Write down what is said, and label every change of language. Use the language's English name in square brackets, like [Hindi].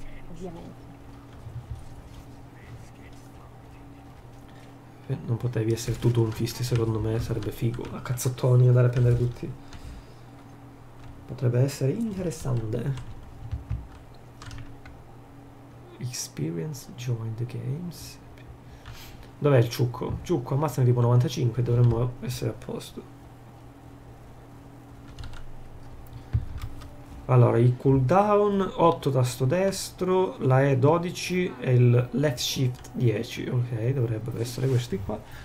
[Italian] Ovviamente. Non potevi essere tu Doomfist, secondo me sarebbe figo. A cazzottoni andare a prendere tutti. Potrebbe essere interessante. [English] Experience, join the games. [Italian] Dov'è il ciucco? Ciucco, ammazza tipo 95, dovremmo essere a posto. Allora, i cooldown 8 tasto destro, la E 12 e il left shift 10. Ok, dovrebbero essere questi qua.